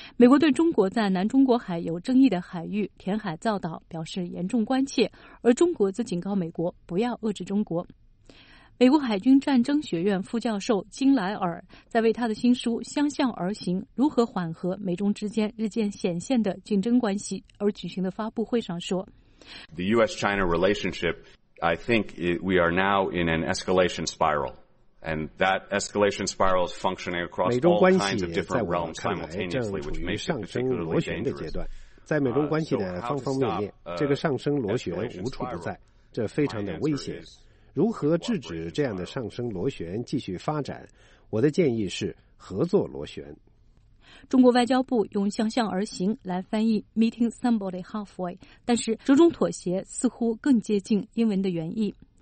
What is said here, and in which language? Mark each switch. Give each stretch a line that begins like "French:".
Chinese: 美国对中国在南中国海有争议的海域填海造岛表示严重关切，而中国则警告美国不要遏制中国。美国海军战争学院副教授金莱尔在为他的新书《相向而行：如何缓和美中之间日渐显现的竞争关系》而举行的发布会上说
English: ：“The U.S.-China relationship, I think we are now in an escalation spiral, and that escalation spiral is functioning across all kinds of different realms simultaneously, which makes it particularly dangerous.”
Chinese: 在美中关系的方方面面，这个上升螺旋无处不在，这非常的危险。如何制止这样的上升螺旋继续发展？我的建议是合作螺旋。中国外交部用相向而行来翻译
English: meeting somebody halfway，
Chinese: 但是折中妥协似乎更接近英文的原意。